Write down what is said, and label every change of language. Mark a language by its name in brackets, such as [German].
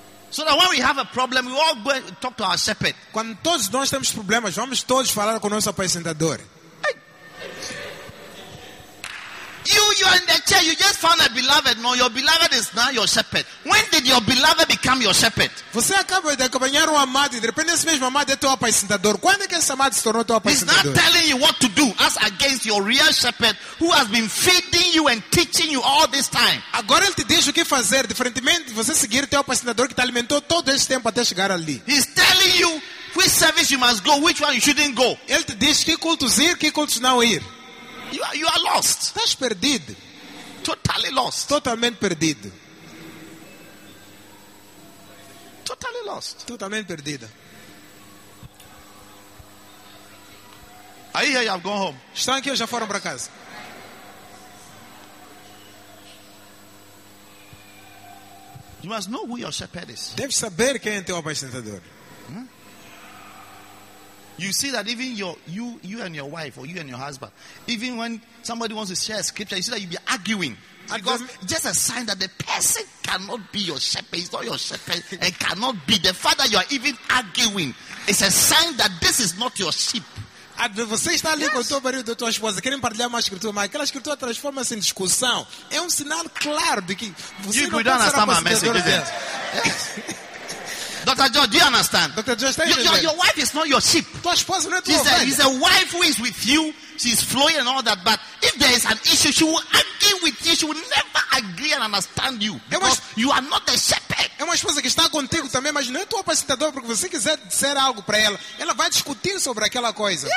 [English] So that when we have a problem, we all go and talk to our shepherd. [Portuguese] Quando todos nós temos problemas, vamos todos falar com o nosso apacentador. [English] You are in the chair. You just found a beloved. No, your beloved is not your shepherd. When did your beloved become your shepherd? [Portuguese] Você acaba de acompanhar amado. De repente, esse mesmo amado é teu apacentador. Quando é que esse amado se tornou teu apacentador? [English] He's not telling you what to do as against your real shepherd who has been feeding you and teaching you all this time. [Portuguese] Agora ele te diz o que fazer. Diferentemente, você seguir teu apacentador que te alimentou todo esse tempo até chegar ali. [English] He's telling you which service you must go, which one you shouldn't go. [Portuguese] Ele te diz que cultos ir, que cultos não ir. [English] You are lost. [Portuguese] Estás perdido. [English] Totally lost. [Portuguese] Totalmente perdido. [English] Totally lost. [Portuguese] Totalmente perdida. [English] Are you here? I've gone home. [Portuguese] Estão aqui ou já foram para casa? [English] You must know who your shepherd is. [Portuguese] Deve saber quem é teu apacentador. [English] You see that even you and your wife or you and your husband, even when somebody wants to share a scripture, you see that you'll be arguing. Because just a sign that the person cannot be your shepherd, he's not your shepherd, and cannot be. The fact that you are even arguing, it's a sign that this is not your sheep. [Portuguese] Você está ali com o teu marido e tua esposa querem partilhar uma escritura, mas aquela escritura transforma-se em discussão. É um sinal claro de que você [English] you [Portuguese] não está [English] my message, isn't it? Dr. George, do you understand? Dr. George, your wife is not your sheep. She's a wife who is with you. She's flowing and all that. But if there is an issue, she will argue with you. She will never agree and understand you. Because you are not the shepherd. [Portuguese] É uma esposa que está contigo também, mas não é tua apacentadora. Porque você quiser dizer algo para ela, ela vai discutir sobre aquela coisa.